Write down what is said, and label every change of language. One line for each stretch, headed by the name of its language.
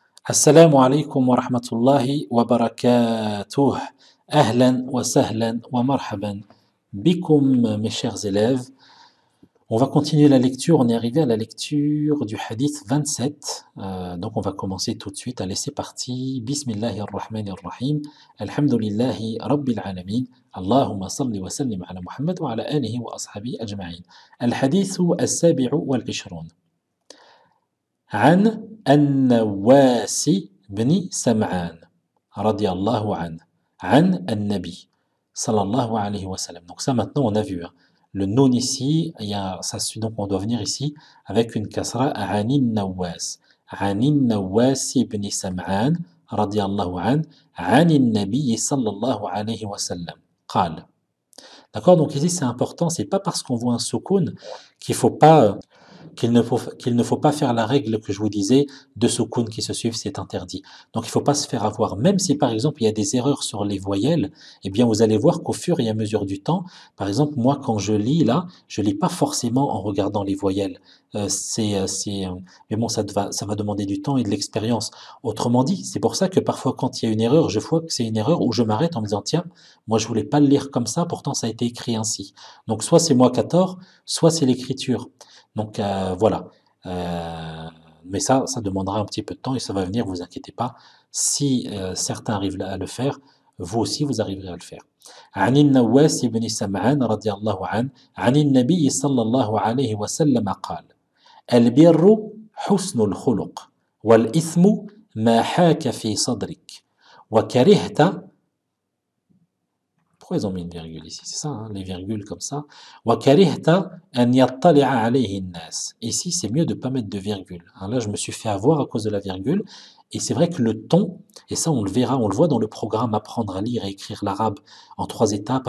Arabic: السلام عليكم ورحمة الله وبركاته. أهلا وسهلا ومرحبا بكم
French: mes chers élèves. On va continuer la lecture, on est arrivé à la lecture du hadith 27. Donc on va commencer tout de suite, allez c'est parti.
Arabic: Bismillah ar-Rahman ar-Rahim. Alhamdulillah Rabbil Alamin. Allahumma salli wa sallim ala Muhammad wa ala alihi wa ashabihi ajma'in. Al-hadithu al-sabi'u wal-ishrun. عن النواس بن سمعان رضي الله عنه عن النبي صلى الله عليه وسلم.
French: Donc ça maintenant on a vu le nun ici, donc on doit venir ici avec une kasra.
Arabic: عن النواس, عن النواس بن سمعان رضي الله عنه عن النبي صلى الله عليه وسلم قال.
French: D'accord, donc ici c'est important, c'est pas parce qu'on voit un sukun qu'il ne faut pas faire la règle que je vous disais, de sukun qui se suivent, c'est interdit. Donc il ne faut pas se faire avoir, même si par exemple il y a des erreurs sur les voyelles, eh bien vous allez voir qu'au fur et à mesure du temps, par exemple moi quand je lis là, je ne lis pas forcément en regardant les voyelles. Mais bon, ça va demander du temps et de l'expérience. Autrement dit, c'est pour ça que parfois quand il y a une erreur, je vois que c'est une erreur où je m'arrête en me disant, tiens, moi je ne voulais pas le lire comme ça, pourtant ça a été écrit ainsi. Donc soit c'est moi qui a tort, soit c'est l'écriture. Donc voilà, mais ça demandera un petit peu de temps et ça va venir, vous inquiétez pas. Si certains arrivent à le faire, vous aussi vous arriverez à le faire.
Arabic: عن النواس بن سمعان رضي الله عنه عن النبي صلى الله عليه وسلم قال البر حسن الخلق والإثم ما حاك في صدرك وكرهت.
French: Pourquoi ils ont mis une virgule ici? C'est ça, hein, les virgules comme ça.
Arabic: وَكَرِهْتَ أَنْ يَطَّلِعَ عَلَيْهِ النَّاسِ.
French: Ici, c'est mieux de ne pas mettre de virgule. Hein, là, je me suis fait avoir à cause de la virgule. Et c'est vrai que le ton, et ça, on le verra, on le voit dans le programme Apprendre à lire et écrire l'arabe en trois étapes.